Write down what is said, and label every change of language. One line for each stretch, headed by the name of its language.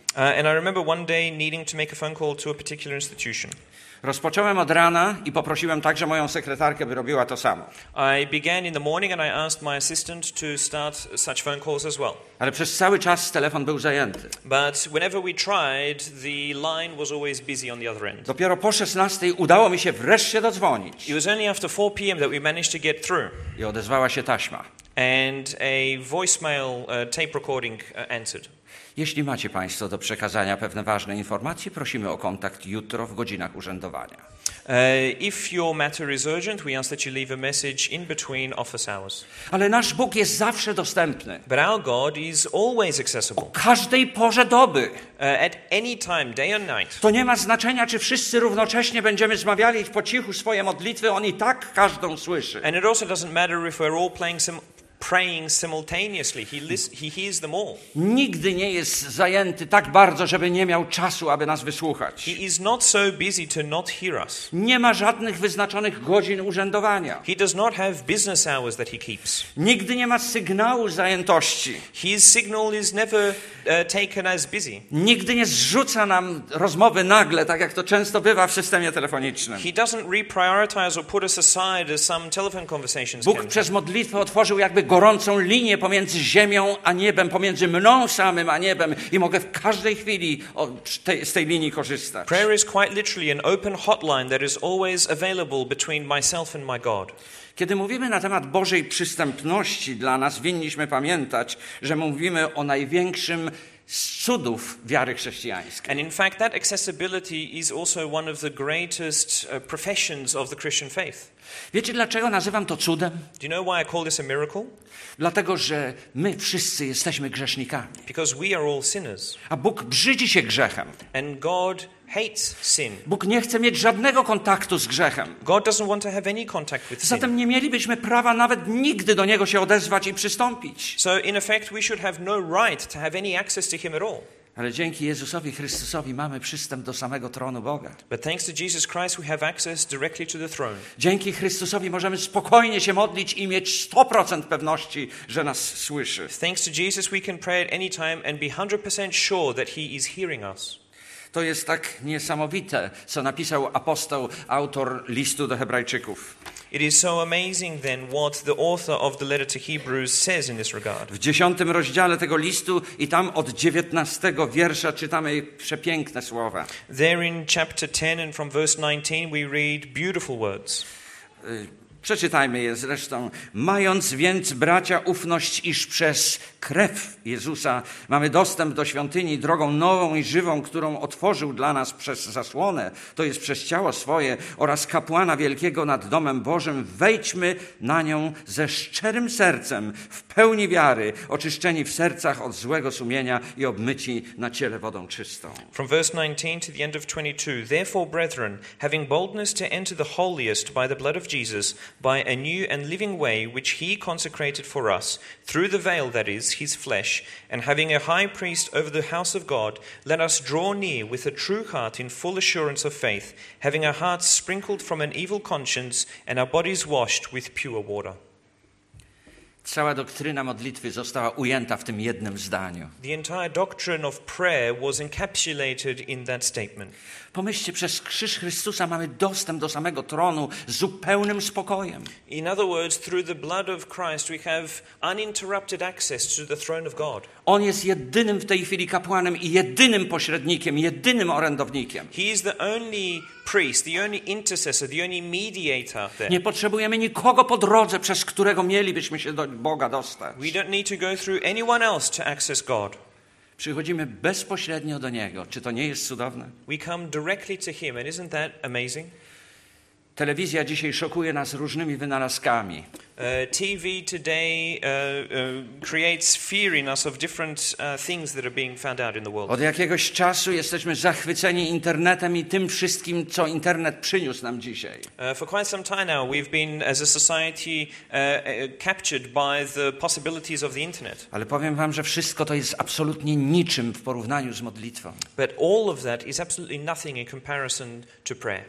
English: And I remember one day needing to make a phone call to a particular institution.
Polish: Rozpocząłem od rana i poprosiłem także moją sekretarkę, by robiła to samo.
English: I began in the morning and I asked my assistant to start such phone calls as well.
Polish: Ale przez cały czas telefon był zajęty.
English: But whenever we tried, the line was always busy on the other end.
Polish: Dopiero po 16 udało mi się wreszcie dodzwonić.
English: It was only after 4 p.m. that we managed to get through.
Polish: I odezwała się taśma.
English: And a voicemail tape recording answered.
Polish: Jeśli macie Państwo do przekazania pewne ważne informacje, prosimy o kontakt jutro w godzinach urzędowania.
English: If your matter is urgent, we ask that you leave a message in between office hours.
Polish: Ale nasz Bóg jest zawsze dostępny.
English: But our God is always accessible.
Polish: O każdej porze doby.
English: At any time, day and night.
Polish: To nie ma znaczenia, czy wszyscy równocześnie będziemy zmawiali po cichu swoje modlitwy, On i tak każdą słyszy.
English: And it also doesn't matter if we're all praying simultaneously. He hears them all.
Polish: Nigdy nie jest zajęty tak bardzo, żeby nie miał czasu, aby nas wysłuchać.
English: He is not so busy to not hear us.
Polish: Nie ma żadnych wyznaczonych godzin urzędowania.
English: He does not have business hours that he keeps.
Polish: Nigdy nie ma sygnału zajętości.
English: His signal is never taken as busy.
Polish: Nigdy nie zrzuca nam rozmowy nagle, tak jak to często bywa w systemie telefonicznym.
English: He doesn't reprioritize or put us aside as some telephone conversations can.
Polish: Bóg przez modlitwę otworzył jakby gorącą linię pomiędzy ziemią a niebem, pomiędzy mną samym a niebem i mogę w każdej chwili z tej linii korzystać.
English: Prayer is quite literally an open hotline that is always available between myself and my God.
Polish: Kiedy mówimy na temat Bożej przystępności dla nas, winniśmy pamiętać, że mówimy o największym z cudów wiary chrześcijańskiej.
English: And in fact that accessibility is also one of the greatest professions of the Christian faith.
Polish: Wiecie, dlaczego nazywam to cudem?
English: Do you know why I call this a miracle?
Polish: Dlatego, że my wszyscy jesteśmy grzesznikami.
English: Because we are all sinners.
Polish: A Bóg brzydzi się grzechem.
English: And God hates sin.
Polish: Bóg nie chce mieć żadnego kontaktu z grzechem.
English: God doesn't want to have any contact with sin.
Polish: Zatem nie mielibyśmy prawa nawet nigdy do niego się odezwać i przystąpić.
English: So in effect we should have no right to have any access to him at all.
Polish: Ale dzięki Jezusowi Chrystusowi mamy przystęp do samego tronu Boga.
English: But thanks to Jesus Christ we have access directly to the throne.
Polish: Dzięki Chrystusowi możemy spokojnie się modlić i mieć 100% pewności, że nas słyszy.
English: Thanks to Jesus we can pray at any time and be 100% sure that he is hearing us.
Polish: To jest tak niesamowite, co napisał apostoł, autor listu do Hebrajczyków.
English: It is so amazing then what the author of the letter to Hebrews says in this regard.
Polish: W 10 rozdziale tego listu i tam od 19 wiersza czytamy przepiękne słowa.
English: There in chapter 10 and from verse 19 we read beautiful words.
Polish: Przeczytajmy je zresztą. Mając więc, bracia, ufność, iż przez krew Jezusa mamy dostęp do świątyni drogą nową i żywą, którą otworzył dla nas przez zasłonę, to jest przez ciało swoje oraz kapłana wielkiego nad domem Bożym, wejdźmy na nią ze szczerym sercem, w pełni wiary, oczyszczeni w sercach od złego sumienia i obmyci na ciele wodą czystą.
English: From verse 19 to the end of 22. Therefore, brethren, having boldness to enter the holiest by the blood of Jesus, by a new and living way which he consecrated for us, through the veil that is his flesh, and having a high priest over the house of God, let us draw near with a true heart in full assurance of faith, having our hearts sprinkled from an evil conscience and our bodies washed with pure water.
Polish: Cała doktryna modlitwy została ujęta w tym jednym zdaniu.
English: The entire doctrine of prayer was encapsulated in that statement.
Polish: Pomyślcie, przez krzyż Chrystusa mamy dostęp do samego tronu z zupełnym spokojem.
English: In other words, through the blood of Christ we have uninterrupted access to the throne of God.
Polish: On jest jedynym w tej chwili kapłanem i jedynym pośrednikiem, jedynym orędownikiem.
English: He is the only priest, the only intercessor, the only mediator there.
Polish: Nie potrzebujemy nikogo po drodze, przez którego mielibyśmy się do Boga dostać.
English: We don't need to go through anyone else to access God.
Polish: Przychodzimy bezpośrednio do niego. Czy to nie jest cudowne?
English: We come directly to him, and isn't that amazing?
Polish: Telewizja dzisiaj szokuje nas różnymi wynalazkami.
English: TV today creates fear in us of different things that are being found out in the world.
Polish: Od jakiegoś czasu jesteśmy zachwyceni internetem i tym wszystkim, co internet przyniósł nam dzisiaj.
English: For quite some time now we've been as a society captured by the possibilities of the internet.
Polish: Ale powiem wam, że wszystko to jest absolutnie niczym w porównaniu z modlitwą.
English: But all of that is absolutely nothing in comparison to prayer.